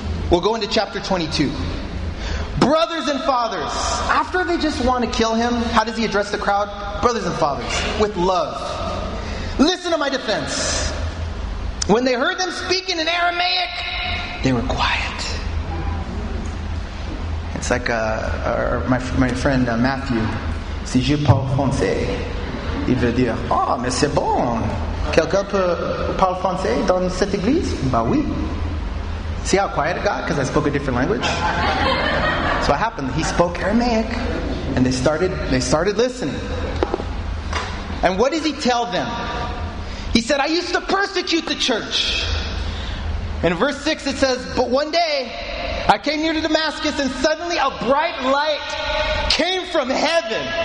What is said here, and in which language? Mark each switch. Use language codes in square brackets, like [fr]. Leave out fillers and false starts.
[en] We'll go into chapter 22. Brothers and fathers, after they just want to kill him, how does he address the crowd? Brothers and fathers, with love. Listen to my defense. When they heard them speaking in Aramaic, they were quiet. It's like my friend Matthew. [fr] Si je parle français, il veut dire, ah, mais c'est bon. Quelqu'un peut parler français dans cette église? Bah oui. [en] See how quiet it got? Because I spoke a different language. So what happened? He spoke Aramaic. And they started listening. And what does he tell them? He said, I used to persecute the church. In verse 6 it says, but one day I came near to Damascus and suddenly a bright light came from heaven.